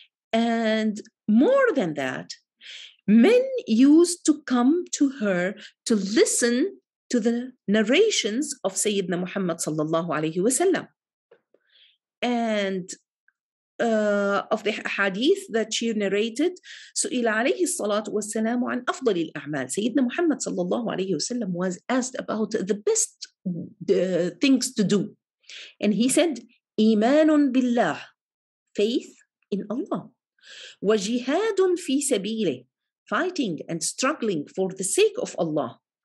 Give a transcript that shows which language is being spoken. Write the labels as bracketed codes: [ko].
[en] And more than that, men used to come to her to listen to the narrations of Sayyidina Muhammad sallallahu alayhi wa sallam, and of the hadith that she narrated. [ar] سئل عليه الصلاة والسلام عن أفضل الأعمال. [en] Sayyidina Muhammad sallallahu alayhi wa sallam was asked about the best things to do. And he said, [ar] إيمان بالله, [en] faith in Allah. [ar] وجهاد في سبيله, [en] fighting and struggling for the sake of Allah.